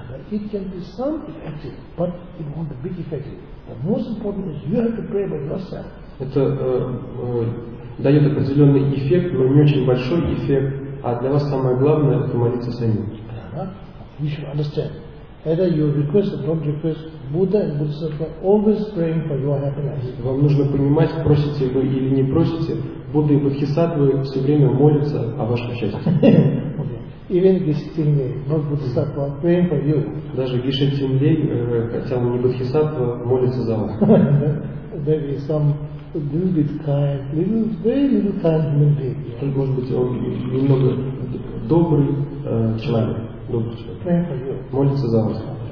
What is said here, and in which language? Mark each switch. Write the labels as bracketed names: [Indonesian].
[English] It can be some effective, but it won't be big effective. The most important is you have to pray by yourself. [Russian] Это дает определенный эффект, но не очень большой эффект, а для вас самое главное – это молиться самим. [English] You should understand. Either you request or don't request, Buddha and Bodhisattva always praying for your happiness. [Russian] Вам нужно понимать, просите вы или не просите, Будда и Бодхисаттвы все время молятся о вашем счастье. [English] Even Gishtinge, not Bodhisattva, praying for you. [Russian] Даже Гишетинлей, хотя он не Бодхисаттва, молится за вас. [English] There is some little bit kind, little, very little kind human being. [Russian] Может быть, он немного добрый человек, добрый человек. Молится за вас.